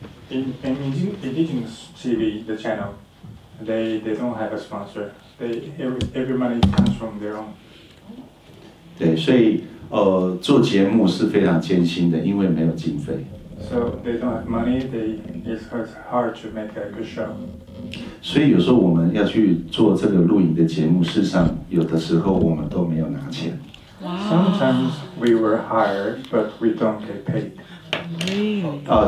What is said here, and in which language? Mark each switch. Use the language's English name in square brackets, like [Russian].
[English] In indigenous TV, the channel, they don't have a sponsor. Every money comes from their own. [Chinese] 对，所以做节目是非常艰辛的，因为没有经费. [English] So they don't have money. It's hard to make a good show. [Chinese] 所以有时候我们要去做这个录影的节目，事实上有的时候我们都没有拿钱. [English] Sometimes we were hired, but we don't get paid.